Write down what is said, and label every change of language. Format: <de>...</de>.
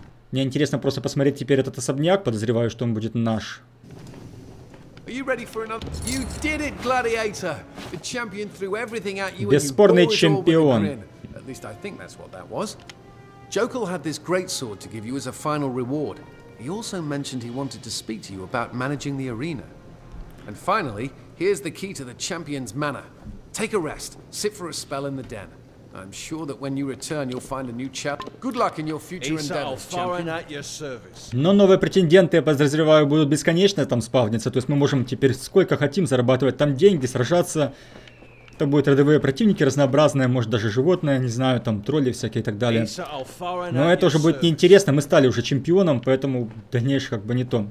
<ru>Мне интересно просто посмотреть теперь этот особняк. Подозреваю, что он будет наш.</ru> <en>Are you ready for another? You did it, Gladiator! The champion threw everything at you.</en> <ru>Бесспорный чемпион.</ru> <en>At least I think that's what that was. Jokal had this greatsword to give you as a final reward. He also mentioned he wanted to speak to you about managing the arena. And finally, here's the key to the champion's manor. Take a rest. Sit for a spell in the den. I'm sure that when you return, you'll find a new chap. Good luck in your future endeavors, champion.</en> <ru>Но новые претенденты, я подозреваю, будут бесконечно там спавниться. То есть мы можем теперь сколько хотим зарабатывать там деньги, сражаться. Это будут родовые противники разнообразные, может даже животные, не знаю, там тролли всякие и так далее. Но это уже будет неинтересно, мы стали уже чемпионом, поэтому дальнейшее как бы не то.</ru>